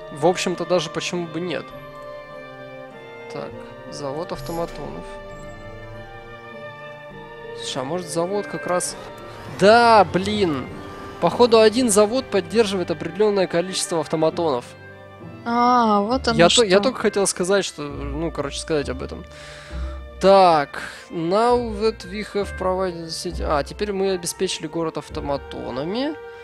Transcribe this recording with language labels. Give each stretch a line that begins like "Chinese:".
Russian: В общем-то, даже почему бы нет. Так, завод автоматонов. Слушай, а может завод как раз... Да, блин! Походу, один завод поддерживает определенное количество автоматонов. А, вот оно что. Я только хотел сказать, что... Ну, короче, сказать об этом. Так,
English: now that we have provided the city...
Russian: А, теперь мы обеспечили город автоматонами.